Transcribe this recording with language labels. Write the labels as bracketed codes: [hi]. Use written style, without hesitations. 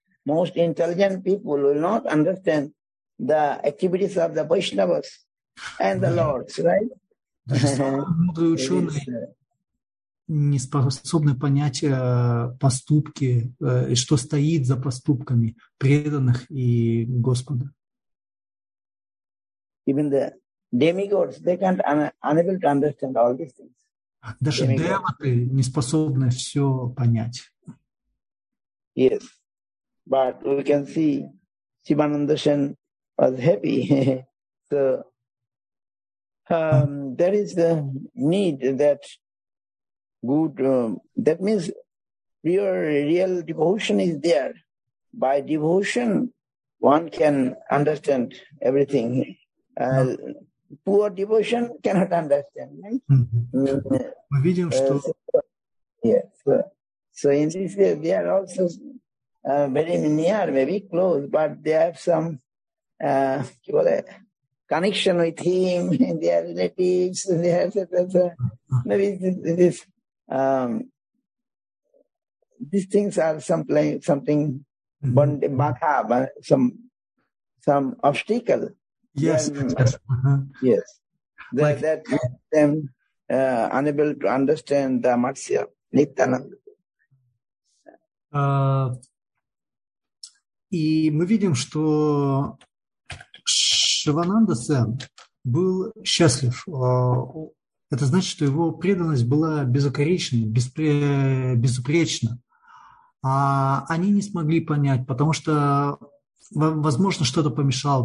[en] Most intelligent people will not understand the activities of the Vaishnavas and the Lords, right? [ru] Мудрые ученые не способны понять поступки, что стоит за поступками преданных и Господа. [en] Even the demigods, they can't unable to understand all these things. [ru] Даже демоты не способны все понять. [en] Yes. But we can see Shivananda Sen was happy. So there is a need that good, that means pure, real devotion is there. By devotion, one can understand everything. Poor devotion cannot understand, right? Mm-hmm. So, yes. So in this way, they are also very near, maybe close, but they have some connection with him, and their relatives, and they have these things are some obstacle. Yes. Yes. Uh-huh. Yes. That makes them unable to understand the mercy of Nityananda. [ru] И мы видим, что Шивананда Сен был счастлив. Это значит, что его преданность была безукоризненна, безупречна. А они не смогли понять, потому что, возможно, что-то помешало.